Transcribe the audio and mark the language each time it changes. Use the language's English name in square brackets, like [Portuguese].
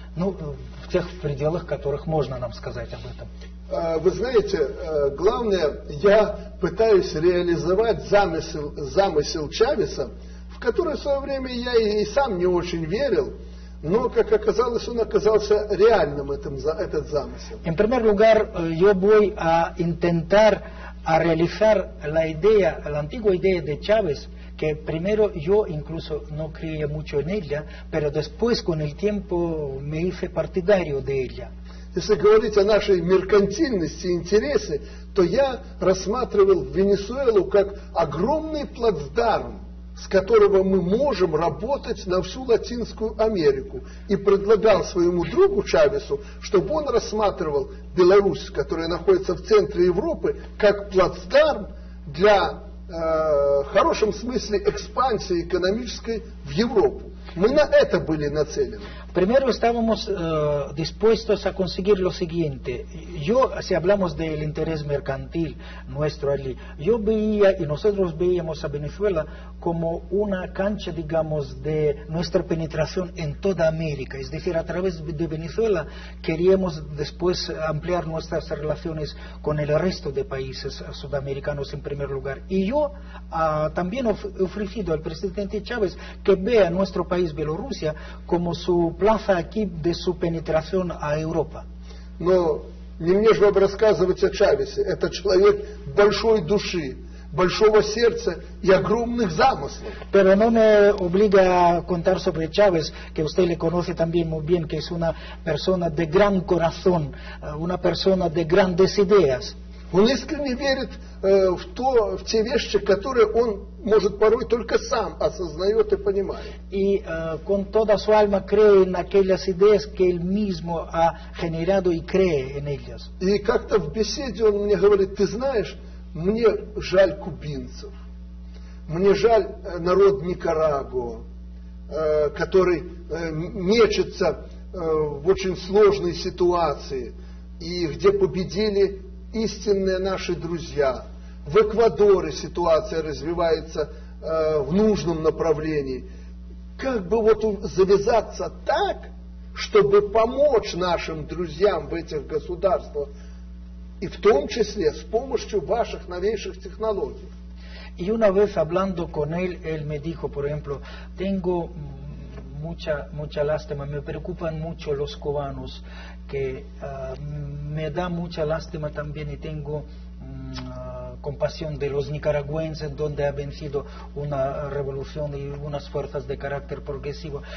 [Russian] Ну, в тех пределах, которых можно нам сказать об этом. Вы знаете, главное, я пытаюсь реализовать замысел Чавеса, в который в свое время я и сам не очень верил. Но, как оказалось, он оказался реальным, этот замысел. [Spanish] En primer lugar, yo voy a intentar a realizar la idea, la antigua idea de Chávez, que primero yo incluso no creía mucho en ella, pero después, con el tiempo, me hice partidario de ella. [Russian] Если говорить о нашей меркантильности и интересе, то я рассматривал Венесуэлу как огромный плацдарм, с которого мы можем работать на всю Латинскую Америку, и предлагал своему другу Чавесу, чтобы он рассматривал Беларусь, которая находится в центре Европы, как плацдарм для хорошем смысле экспансии экономической в Европу. Мы на это были нацелены. [Spanish] Primero estábamos dispuestos a conseguir lo siguiente. Yo, si hablamos del interés mercantil nuestro allí, yo veía y nosotros veíamos a Venezuela como una cancha, digamos, de nuestra penetración en toda América. Es decir, a través de Venezuela queríamos después ampliar nuestras relaciones con el resto de países sudamericanos en primer lugar. Y yo también he ofrecido al presidente Chávez que vea nuestro país, Bielorrusia, como su plaza aquí de su penetración a Europa. [Russian] Но не мне же вам рассказывать о Чавесе. Это человек большой души, большого сердца и огромных замыслов. [Spanish] Pero no me obliga a contar sobre Chávez, que usted le conoce también muy bien, que es una persona de gran corazón, una persona de grandes ideas. [Russian] Он искренне верит в те вещи, которые он может порой только сам осознает и понимает. И [Spanish] con toda su alma cree en aquellas ideas que él mismo ha generado y cree en ellas. [Russian] И как-то в беседе он мне говорит: ты знаешь, мне жаль кубинцев, мне жаль народ Никарагуа, который мечется в очень сложной ситуации, и где победили истинные наши друзья. В Эквадоре ситуация развивается в нужном направлении. Как бы вот завязаться так, чтобы помочь нашим друзьям в этих государствах, и в том числе с помощью ваших новейших технологий? [Spanish] Y una vez hablando con él, él me dijo, por ejemplo, tengo mucha lástima, me preocupan mucho los cubanos, que me da mucha lástima también y tengo compasión de los nicaragüenses, donde ha vencido una revolución y unas fuerzas de carácter progresivo.